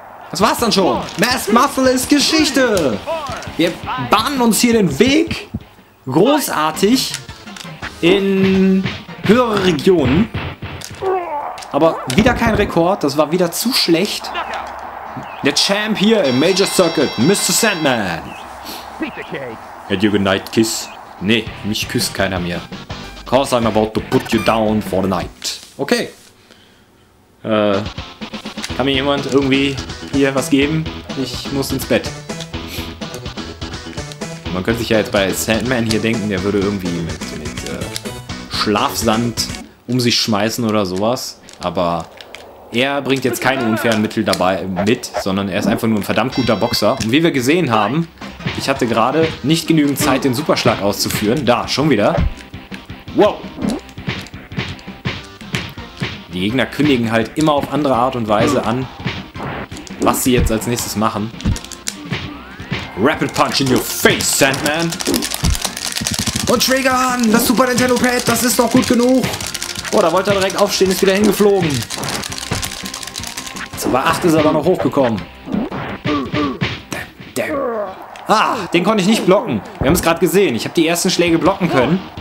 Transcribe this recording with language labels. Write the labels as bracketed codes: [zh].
[de] Das war's dann schon. Masked Muscle ist Geschichte. Wir bahnen uns hier den Weg großartig in höhere Regionen. Aber wieder kein Rekord. Das war wieder zu schlecht. Der Champ hier im Major Circuit, Mr. Sandman. [en] Had you a good night kiss? [de] Nee, mich küsst keiner mehr. [en] Cause I'm about to put you down for the night. Okay. [de] Kann mir jemand irgendwie hier was geben? Ich muss ins Bett. Man könnte sich ja jetzt bei Sandman hier denken, der würde irgendwie mit Schlafsand um sich schmeißen oder sowas. Aber... er bringt jetzt keine unfairen Mittel dabei mit, sondern er ist einfach nur ein verdammt guter Boxer. Und wie wir gesehen haben, ich hatte gerade nicht genügend Zeit, den Superschlag auszuführen. Da, schon wieder. Wow. Die Gegner kündigen halt immer auf andere Art und Weise an, was sie jetzt als nächstes machen. [en] Rapid Punch in your face, Sandman. [de] Und triggern, das Super Nintendo Pad, das ist doch gut genug. Oh, da wollte er direkt aufstehen, ist wieder hingeflogen. Bei 8 ist er aber noch hochgekommen. Ah, den konnte ich nicht blocken. Wir haben es gerade gesehen. Ich habe die ersten Schläge blocken können.